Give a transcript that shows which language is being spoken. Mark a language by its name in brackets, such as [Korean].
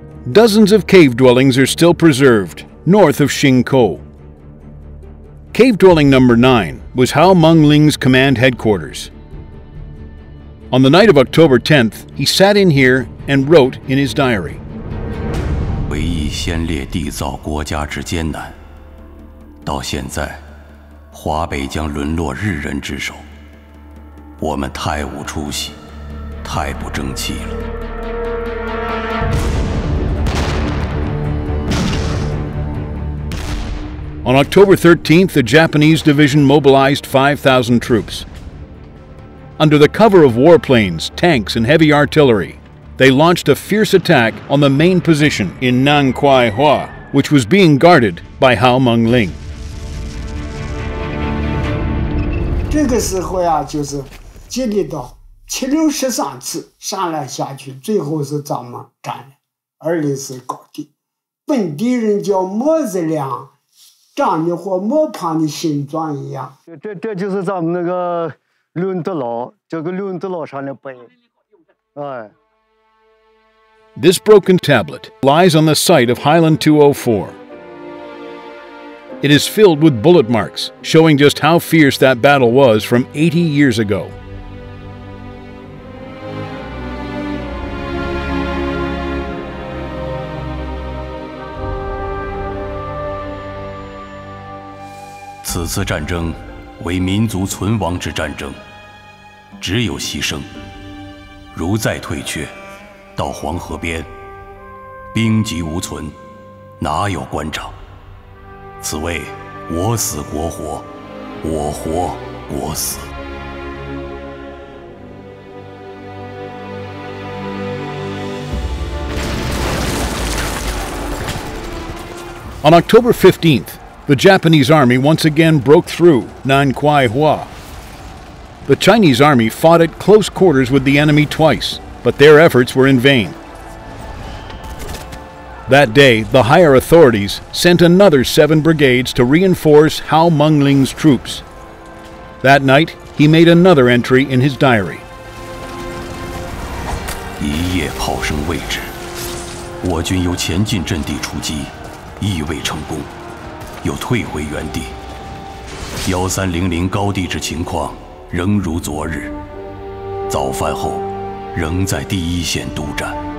[English] Dozens of cave dwellings are still preserved north of Xingkou. Cave dwelling number 9 was Hao Mengling's command headquarters. On the night of October 10th, he sat in here and wrote in his diary. [Chinese] 唯一先烈缔造国家之艰难，到现在华北将沦落日人之手，我们太无出息，太不争气了。 [English] On October 13th, the Japanese division mobilized 5,000 troops. Under the cover of warplanes, tanks, and heavy artillery, they launched a fierce attack on the main position in Nan Kwai Hua, which was being guarded by Hao Mengling. [Chinese] 这个时候呀，就是接力到763次上来下去，最后是咱们占了20次高地。本地人叫磨子粮，长得和磨盘的形状一样。这就是咱们那个轮子佬，这个轮子佬上的碑。哎。 [English] This broken tablet lies on the site of Highland 204. It is filled with bullet marks, showing just how fierce that battle was from 80 years ago. This war is a national war. There is only sacrifice. If we continue to move to the river, there is no army. Where is the general? [Chinese] 此谓我死国活，我活国死。 [English] On October 15th, the Japanese army once again broke through Nan Kwai Hua. The Chinese army fought at close quarters with the enemy twice, but their efforts were in vain. That day, the higher authorities sent another 7 brigades to reinforce Hao Mengling's troops. That night, he made another entry in his diary. [Chinese] 一夜炮声未止，我军由前进阵地出击，亦未成功，又退回原地。 1300高地之情况仍如昨日，早饭后仍在第一线督战。